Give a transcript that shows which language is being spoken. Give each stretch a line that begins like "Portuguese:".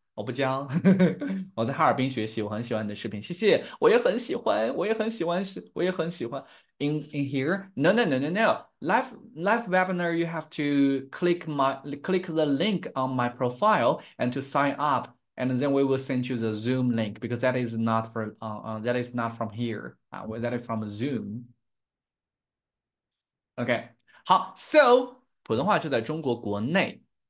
Chinese: 我不教，我在哈尔滨学习，我很喜欢你的视频，谢谢，我也很喜欢，我也很喜欢，是，我也很喜欢。
English: In here? No. Live webinar, you have to click the link on my profile and to sign up, and then we will send you the Zoom link because that is not for that is not from here. That is from Zoom. Okay.
Chinese: 好, so 普通话就在中国国内。